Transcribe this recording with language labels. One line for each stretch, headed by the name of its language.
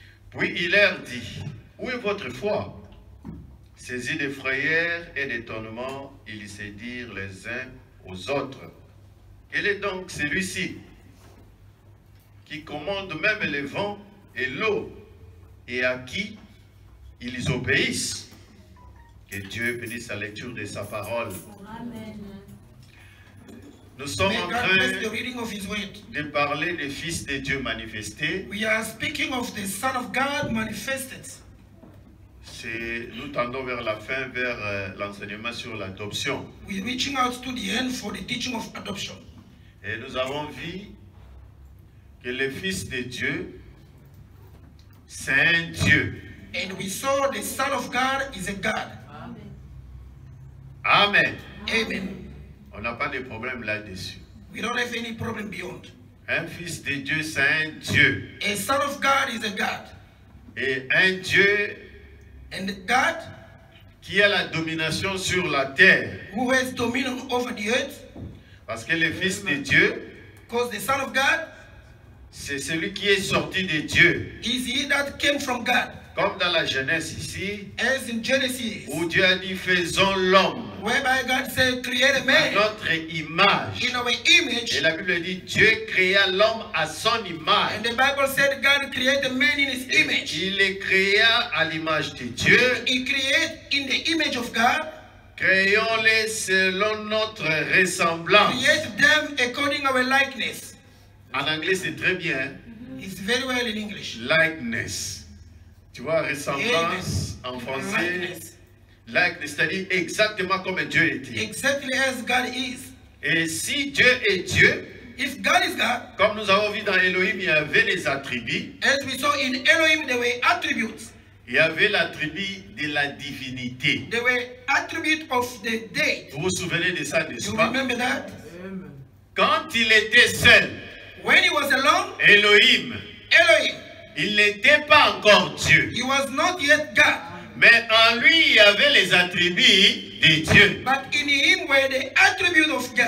French: Puis il leur dit, où est votre foi? Saisis de frayeur et d'étonnement, ils se dirent les uns aux autres, quel est donc celui-ci qui commande même les vents et l'eau, et à qui ils obéissent? Que Dieu bénisse la lecture de sa parole. Amen. Nous sommes en train de parler des fils de Dieu manifestés.
English: We are speaking of the Son of God manifested.
French: Nous tendons vers la fin, vers l'enseignement sur l'adoption.
English: We are reaching out to the end for the teaching of adoption.
French: Et nous avons vu que les fils de Dieu C'est un Dieu.
English: And we saw the Son of God is a God. Amen. Amen. Amen.
French: On n'a pas de problème là-dessus.
English: We don't have any problem beyond.
French: Un fils de Dieu, c'est un Dieu.
English: A Son of God is a God.
French: Et un Dieu.
English: And God.
French: Qui a la domination sur la terre.
English: Who has dominion over the earth.
French: Parce que le fils de Dieu.
English: Because the Son of God.
French: C'est celui qui est sorti de Dieu.
English: Is he that came from God.
French: Comme dans la Genèse ici.
English: As in Genesis.
French: Où Dieu a dit faisons l'homme.
English: Whereby God said create a man.
French: À notre image.
English: In our image.
French: Et la Bible dit Dieu créa l'homme à son image.
English: And the Bible said God created man in his image.
French: Il les créa à l'image de Dieu.
English: He created in the image of God.
French: Créons-les selon notre ressemblance.
English: Create them according our likeness.
French: En anglais c'est très bien.
English: It's very well in English. Likeness.
French: Tu vois, ressemblance en français. Likeness, c'est-à-dire exactement comme Dieu était.
English: Exactly as God is.
French: Et si Dieu est Dieu,
English: if God is God,
French: comme nous avons vu dans Elohim, il y avait les attributs.
English: As we saw in Elohim, there were attributes.
French: Il y avait l'attribut de la divinité.
English: There were attributes of the deity.
French: Vous vous souvenez de ça, n'est-ce
English: you
French: pas?
English: Remember that?
French: Quand il était seul,
English: when he was alone, Elohim, Elohim,
French: il n'était pas encore Dieu.
English: He was not yet God.
French: Mais en lui, il y avait les attributs de Dieu.
English: But in him were the attributes of God.